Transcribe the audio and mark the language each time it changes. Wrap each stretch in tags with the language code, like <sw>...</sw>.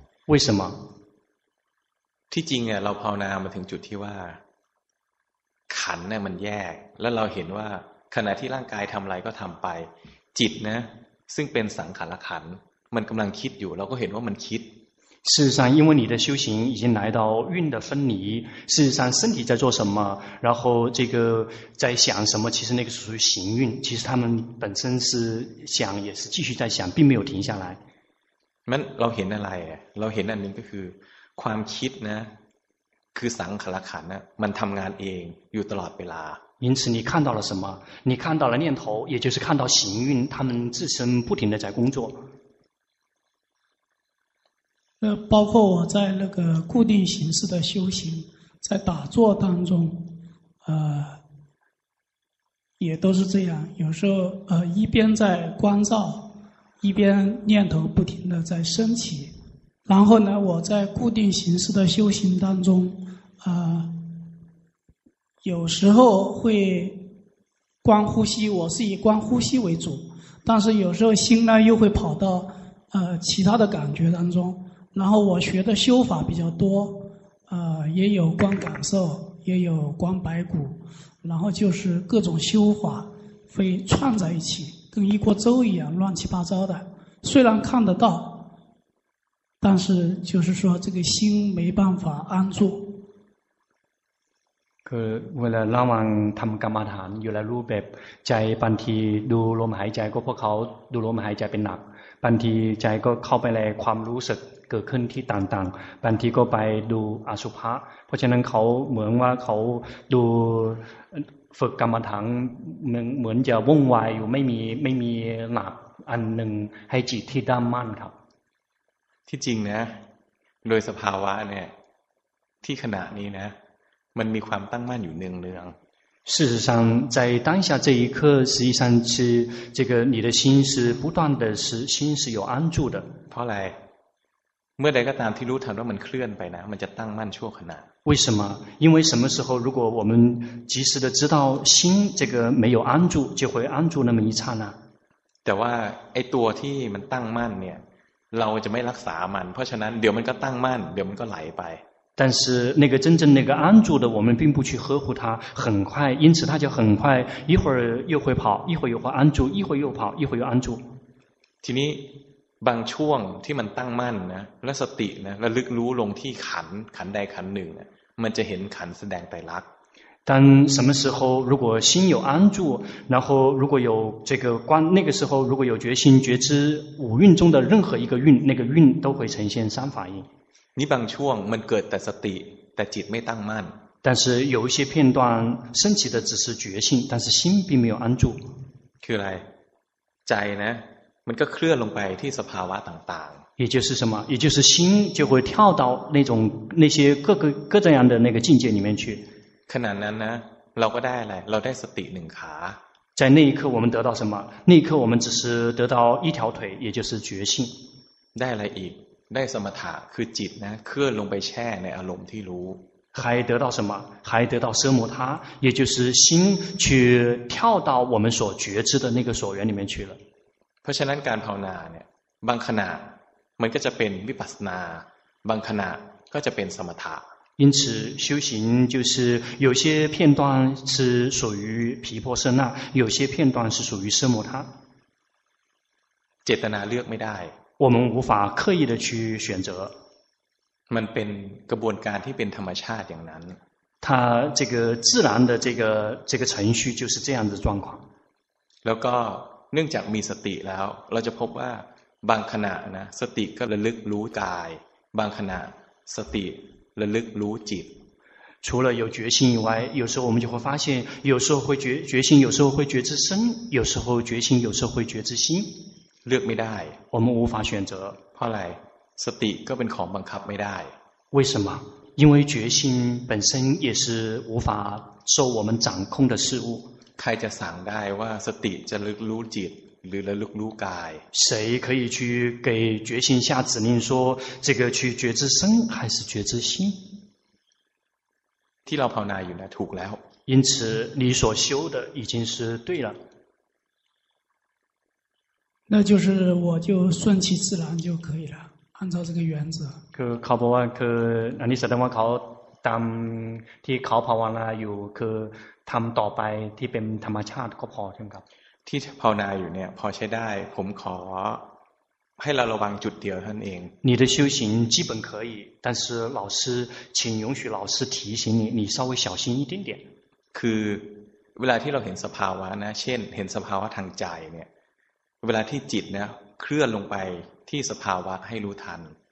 <zh>为什么</zh> <th>ที่จริงเราภาวนามาถึงจุดที่ว่าขันธ์เนี่ยมันแยกแล้วเราเห็นว่าขณะที่ร่างกายทำอะไรก็ทำไปจิตนะซึ่งเป็นสังขารขันธ์มันกำลังคิดอยู่เราก็เห็นว่ามันคิด</th> <zh>事实上因为你的修行已经来到运的分离事实上身体在做什么然后这个在想什么其实那个属于行运其实他们本身是想也是继续在想并没有停下来</zh> <th>มันเราเห็นอะไรเราเห็นอันนึงก็คือความคิดนะคือสังขารขันธ์นะมันทำงานเองอยู่ตลอดเวลา</th> <zh>因此你看到了什么你看到了念头也就是看到行运他们自身不停地在工作包括我在那个固定形式的修行在打坐当中也都是这样有时候一边在观照一边念头不停地在升起然后呢我在固定形式的修行当中有时候会观呼吸我是以观呼吸为主但是有时候心呢又会跑到其他的感觉当中然后我学的修法比较多也有观感受也有观白骨然后就是各种修法会串在一起跟一锅粥一样乱七八糟的虽然看得到但是就是说这个心没办法安住</zh> <th>คือเวลาระหว่างทำกรรมฐานอยู่แล้วรูปแบบใจบางทีดูลมหายใจก็พวกเขาดูลมหายใจเป็นหนักบางทีใจก็เข้าไปในความรู้สึกเกิดขึ้นที่ต่างๆบางทีก็ไปดูอสุภะเพราะฉะนั้นเขาเหมือนว่าเขาดูฝึกกรรมฐานเหมือนจะวุ่นวายอยู่ไม่มีหนักอันหนึ่งให้จิตที่ด้ามมั่นครับ ที่จริงนะโดยสภาวะเนี่ยที่ขณะนี้นะมันมีความตั้งมั่นอยู่เนืองเนือง</th> <zh>事实上在当下这一刻实际上是这个你的心是不断的是心是有安住的</zh> <th>เพราะอะไรเมื่อใดก็ตามที่รู้ทันว่ามันเคลื่อนไปนะมันจะตั้งมั่นชั่วขณะ</th> <zh>为什么因为什么时候如果我们及时的知道心这个没有安住就会安住那么一刹那</zh> <th>แต่ว่าไอ้ตัวที่มันตั้งมั่นเนี่ยเราจะไม่รักษามันเพราะฉะนั้นเดี๋ยวมันก็ตั้งมั่นเดี๋ยวมันก็ไหลไป</th> <zh>但是那个真正那个安住的我们并不去呵护它很快因此它就很快一会儿又会跑一会儿又会安住一会儿又跑一会儿又安住</zh> <th>ทีนี้บางช่วงที่มันตั้งมั่นนะและสตินะและลึกรู้ลงที่ขันใดขันหนึ่งมันจะเห็นขันแสดงไตรลักษณ์</th> <zh>但什么时候如果心有安住然后如果有这个观那个时候如果有决心觉知五蕴中的任何一个蕴那个蕴都会呈现三法印</zh> <th>นี่บางช่วงมันเกิดแต่สติแต่จิตไม่ตั้งมั่น</th> <zh>但是有一些片段升起的只是觉性但是心并没有安住</zh> <th>คืออะไรใจนะมันก็เคลื่อนลงไปที่สภาวะต่างๆ</th> <zh>也就是什么？也就是心就会跳到那种那些各个各这样的那个境界里面去。</zh> <th>ขณะนั้นนะเราก็ได้อะไรเราได้สติหนึ่งขา</th> <zh>在那一刻我们得到什么？那一刻我们只是得到一条腿，也就是觉性。</zh> <th>ได้อะไรอีกได้สมถะคือจิตนะเคลื่อนลงไปแช่ในอารมณ์ที่รู้</th> <zh>还得到什么？还得到奢摩他，也就是心去跳到我们所觉知的那个所缘里面去了。</zh> <th>เพราะฉะนั้นการภาวนาเนี่ยบางขณะมันก็จะเป็นวิปัสสนาบางขณะก็จะเป็นสมถะ</th> <zh>因此修行就是有些片段是属于毗婆舍那，有些片段是属于奢摩他。</zh> <th>เจตนาเลือกไม่ได้</th> <zh>我们无法刻意的去选择。</zh> <th>มันเป็นกระบวนการที่เป็นธรรมชาติอย่างนั้น</th> <zh>它这个自然的这个程序就是这样的状况</zh> <th>แล้วก็เนื่องจากมีสติแล้วเราจะพบว่าบางขณะนะสติก็ระลึกรู้กายบางขณะสติระลึกรู้จิต</th> <zh>除了有觉性以外有时候我们就会发现有时候会觉性有时候会觉知身有时候觉性有时候会觉知心</zh> <th>เลือกไม่ได้</th> <zh>我们无法选择</zh> <th>เพราะอะไรสติก็เป็นของบังคับไม่ได้</th> <zh>为什么因为觉性本身也是无法受我们掌控的事物</zh> <th>ใครจะสั่งได้ว่าสติจะระลึกรู้จิตหรือระลึกรู้กาย</th> <zh>谁可以去给觉性下指令说这个去觉知身还是觉知心</zh> <th>ที่เราภาวนาอยู่นะถูกแล้ว</th> <zh>因此你所修的已经是对了那就是我就顺其自然就可以了按照这个原则</zh> <th>คือเขาบอกว่าคืออันนี้แสดงว่าเขาตามที่เขาภาวนาอยู่คือทำต่อไปที่เป็นธรรมชาติก็พอใช่ไหมครับ ที่ภาวนาอยู่เนี่ยพอใช้ได้ผมขอให้เราระวังจุดเดียวเท่านั้นเอง</th> <zh>你的修行基本可以但是老师请允许老师提醒你你稍微小心一点点</zh> <th>คือเวลาที่เราเห็นสภาวะนะเช่นเห็นสภาวะทางใจเนี่ยเวลาที่จิตนะเคลื่อนลงไปที่สภาวะให้รู้ทัน</th>